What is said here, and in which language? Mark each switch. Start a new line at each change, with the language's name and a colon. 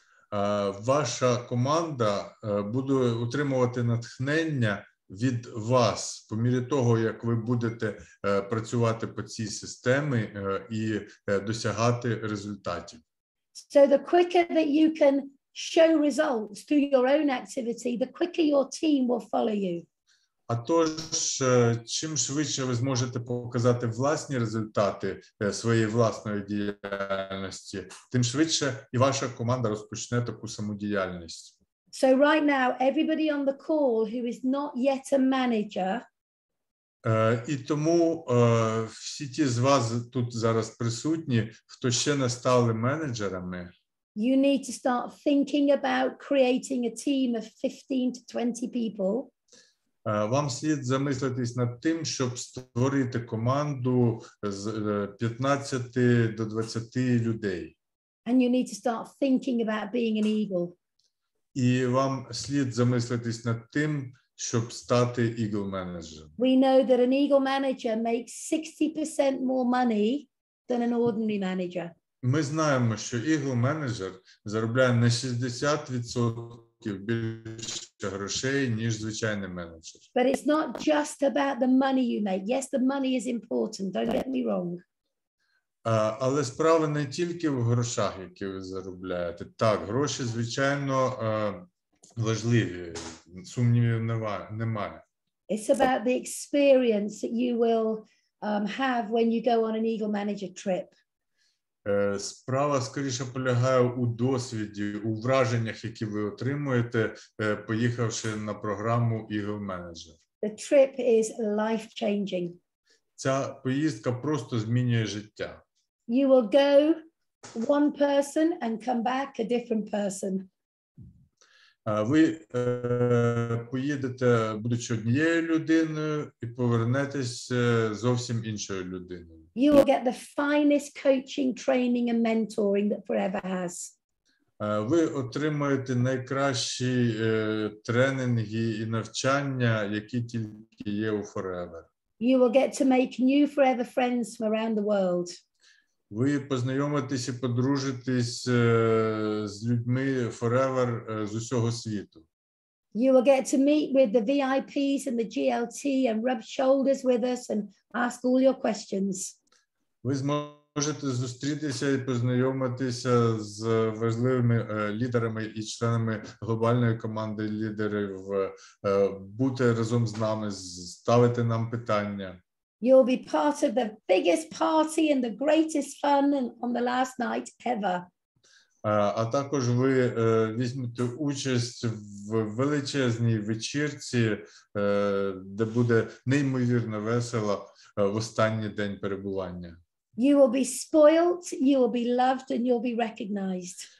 Ukrainian: Ваша команда буде отримувати натхнення від вас по мірі того, як ви будете працювати по цій системі і досягати результатів.
English: So the quicker that you can show results through your own activity, the quicker your team will follow you.
Ukrainian: А тож, чим швидше ви зможете показати власні результати своєї власної діяльності, тим швидше і ваша команда розпочне таку саму діяльність.
English: So right now, everybody on the call who is not yet a manager.
Ukrainian: І тому всі ті з вас тут зараз присутні, хто ще не стали менеджерами.
English: You need to start thinking about creating a team of 15 to 20 people.
Ukrainian: Вам слід замислитись над тим, щоб створити команду з 15 до 20 людей.
English: And you need to start thinking about being an eagle.
Ukrainian: І вам слід замислитись над тим, щоб стати eagle manager.
English: We know that an eagle manager makes 60% more money than an ordinary manager.
Ukrainian: Ми знаємо, що eagle manager заробляє на 60% більше грошей, ніж звичайний менеджер.
English: But it's not just about the money you make. Yes, the money is important, don't get me wrong.
Ukrainian: Але справа не тільки в грошах, які ви заробляєте. Так, гроші, звичайно, важливі, сумнівів немає.
English: It's about the experience that you will have when you go on an Eagle Manager trip.
Ukrainian: Справа, скоріше, полягає у досвіді, у враженнях, які ви отримуєте, поїхавши на програму Eagle Manager.
English: The trip is life-changing.
Ukrainian: Ця поїздка просто змінює життя.
English: You will go one person and come back a different person.
Ukrainian: Ви поїдете, будучи однією людиною, і повернетесь зовсім іншою людиною.
English: You will get the finest coaching, training and mentoring that Forever has.
Ukrainian: Ви отримаєте найкращі тренінги і навчання, які тільки є у Forever.
English: You will get to make new Forever friends from around the world.
Ukrainian: Ви познайомитесь і подружитесь з людьми Forever з усього світу.
English: You will get to meet with the VIPs and the GLT and rub shoulders with us and ask all your questions.
Ukrainian: Ви зможете зустрітися і познайомитися з важливими лідерами і членами глобальної команди лідерів, бути разом з нами, ставити нам питання.
English: You'll be part of the biggest party and the greatest fun on the last night ever.
Ukrainian: А також ви візьмете участь в величезній вечірці, де буде неймовірно весело в останній день перебування.
English: You will be spoiled, you will be loved, and you'll be recognized.